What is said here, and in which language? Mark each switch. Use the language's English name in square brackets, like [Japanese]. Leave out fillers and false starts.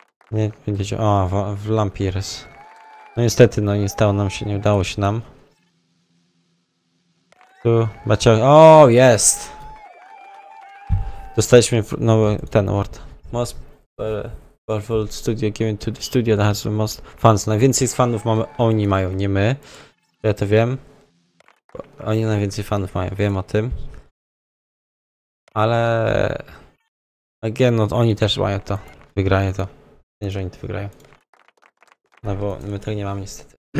[Polish] Nie, będziecie. O, w Lampires. No niestety, no nie stało nam się, nie udało się nam. Tu, macie. O, jest! Dostaliśmy nowy ten award. [English] Most powerful studio given to the studio that has the most fans. [Polish] Najwięcej fanów mamy, oni mają, nie my. Ja to wiem. Oni najwięcej fanów mają, wiem o tym. Ale. Again, no oni też mają to. Wygrają to. Nie, że oni to wygrają. No bo my tego nie mamy niestety.